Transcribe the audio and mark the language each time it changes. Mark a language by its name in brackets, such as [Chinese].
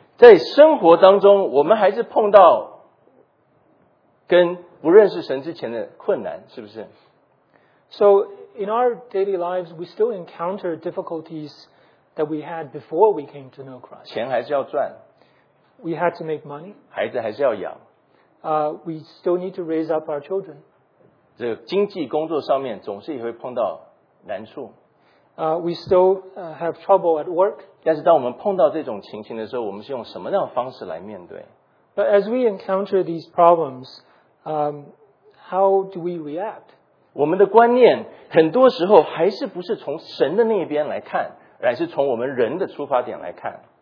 [Chinese] 在生活当中，我们还是碰到跟不认识神之前的困难，是不是？ [English] So in our daily lives, we still encounter difficulties that we had before we came to know Christ. [Chinese] 钱还是要赚。 [English] We had to make money. [Chinese] 孩子还是要养。 [English] We still need to raise up our children. [Chinese] 这个经济工作上面总是也会碰到难处。 [English] We still have trouble at work. [Chinese] 但是当我们碰到这种情形的时候，我们是用什么样的方式来面对？ [English] But as we encounter these problems, how do we react? [Chinese] 我们的观念很多时候还是不是从神的那边来看，而是从我们人的出发点来看。